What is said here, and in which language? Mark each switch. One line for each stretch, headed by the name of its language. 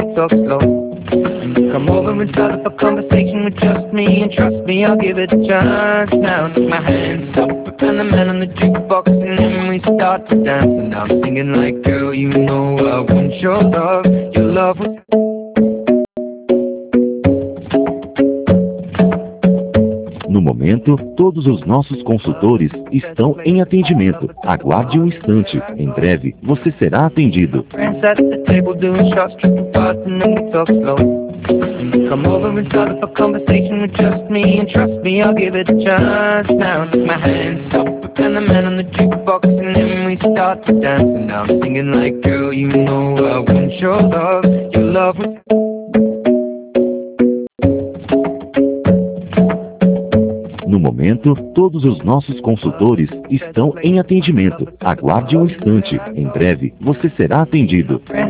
English: Come over and start up a conversation with just me, and trust me, I'll give it a chance. Now I'll put my hands up, and the man on the jukebox, and then we start to dance. And I'm singing like, girl, you know I want your love was...
Portuguese: No momento, todos os nossos consultores estão em atendimento. Aguarde um instante. Em breve, você será atendido.
English: Come over and start up a conversation with just me, and trust me, I'll give it a chance. Now I'll put my hands up, and the man on the jukebox, and then we start to dance. And I'm singing like, girl, you know I want your love was...
Portuguese: No momento, todos os nossos consultores estão em atendimento. Aguarde um instante. Em breve, você será atendido.